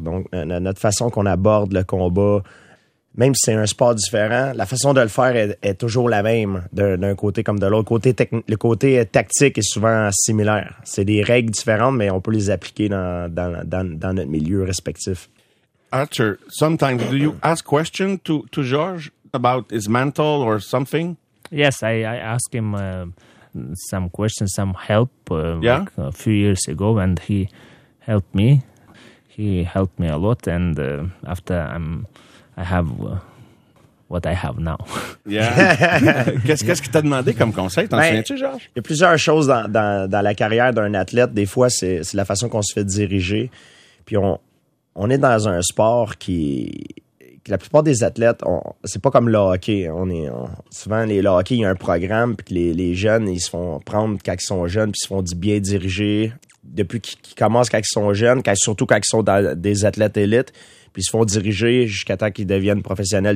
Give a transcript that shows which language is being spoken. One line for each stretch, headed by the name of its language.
French: Donc, notre façon qu'on aborde le combat, même si c'est un sport différent, la façon de le faire est toujours la même d'un côté comme de l'autre. Le côté tactique est souvent similaire. C'est des règles différentes, mais on peut les appliquer dans notre milieu respectif.
English: Arthur, sometimes do you ask questions to George about his mental or something? Yes, I ask him some questions, some help yeah? Like a few years ago, and he helped me. He helped me a lot, and after I have what I have now.
French: Yeah. Qu'est-ce qu'il t'a demandé comme conseil? T'en souviens-tu, George? Il y a plusieurs choses dans la carrière d'un athlète. Des fois, c'est la façon qu'on se fait diriger, puis on est dans un sport qui la plupart des athlètes, c'est pas comme le hockey. Souvent, le hockey, il y a un programme, puis les jeunes, ils se font prendre quand ils sont jeunes, puis ils se font bien diriger depuis qu'ils commencent quand ils sont jeunes, surtout quand ils sont dans des athlètes élites, puis ils se font diriger jusqu'à temps qu'ils deviennent professionnels.